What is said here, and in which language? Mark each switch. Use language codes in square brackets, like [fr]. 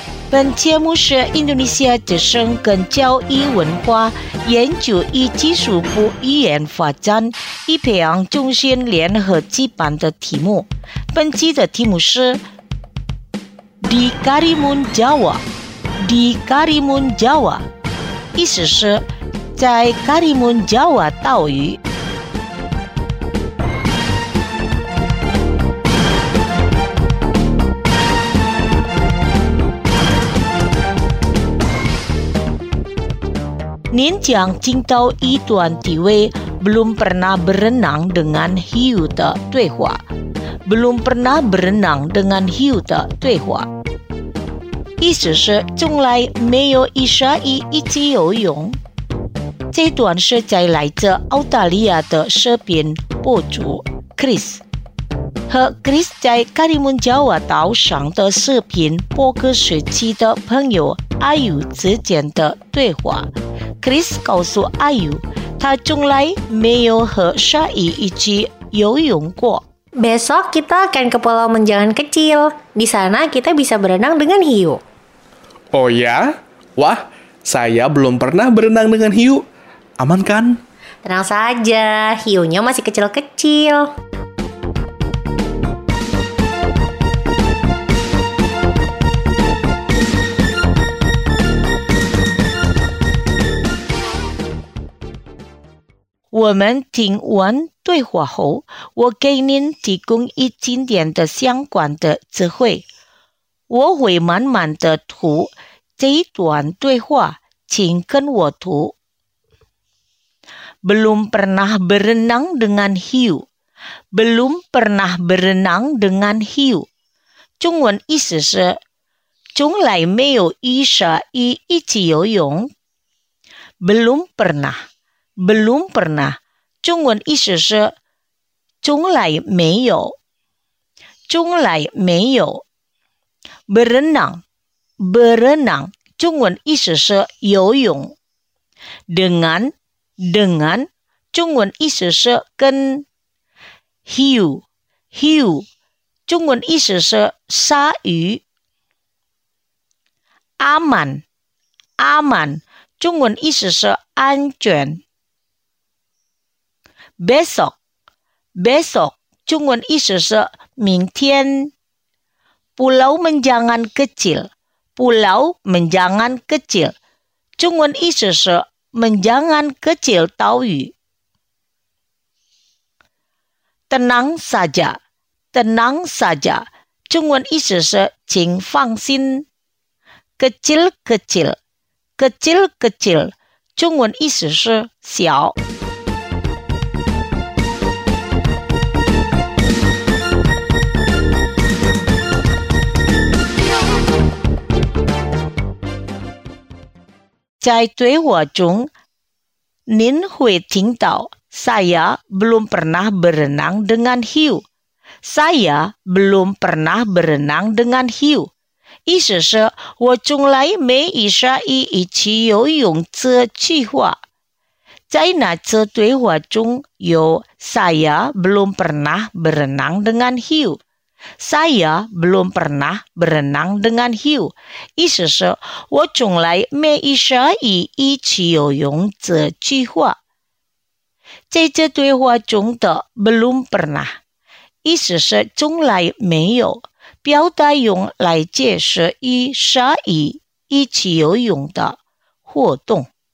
[zh] 本节目是印度尼西亚之声跟教育文化研究与技术部语言发展与培养中心联合举办的题目。本期的题目是 Di Karimun Jawa。 Di Karimun Jawa 意思是在 Karimun Jawa 岛屿。您将听到一段体味 [id] belum pernah berenang dengan hiu [zh] 的对话。 [id] belum pernah berenang dengan hiu [zh] 的对话意思是从来没有一鲨鱼一起游泳。这段是在来自澳大利亚的视频博主 Chris 和 Chris 在卡里蒙加瓦岛上的视频播客时期的朋友阿尤之间的对话。 Chris 告诉阿尤，他从来没有和鲨鱼一起游泳过。 [id] Besok kita akan ke Pulau Menjangan kecil. Di sana kita bisa berenang dengan hiu. Oh ya? Wah, saya belum pernah berenang dengan hiu. Aman kan? Tenang saja, hiunya masih kecil-kecil. [zh] 我们听完对话后，我给您提供一经典的相关的词汇。我会慢慢的读这一段对话，请跟我读。 [id] Belum pernah berenang dengan hiu. Belum pernah berenang dengan hiu. [zh] 中文意思是，从来没有与鲨鱼一起游泳。 [id] Belum pernah. [zh] Belum pernah 中文意思是从来没有，从来没有。 Berenang, berenang 中文意思是游泳。 Dengan, dengan 中文意思是跟。 Hiu, hiu 中文意思是鲨鱼。 Aman, aman 中文意思是安全。 Besok, besok 中文意思是明天。 Pulau Menjangan kecil, Pulau Menjangan kecil 中文意思是Menjangan kecil 岛屿。 [id] Tenang saja, tenang saja [zh] 中文意思是请放心。 Kecil kecil, kecil kecil 中文意思是小。在对话中，您会听到 [id] saya belum pernah berenang dengan hiu. Saya belum pernah berenang dengan hiu. [zh] 意思是我从来没与鲨鱼一起游泳这句话。在那次对话中有 [id] saya belum pernah berenang dengan hiu。 Saya belum pernah berenang dengan hiu. [zh] 意思是我从来没与鲨鱼一起游泳这句话。在这对话中的 [id] belum pernah, [zh] 意思是从来没有，表达用来解释与鲨鱼一起游泳的活动。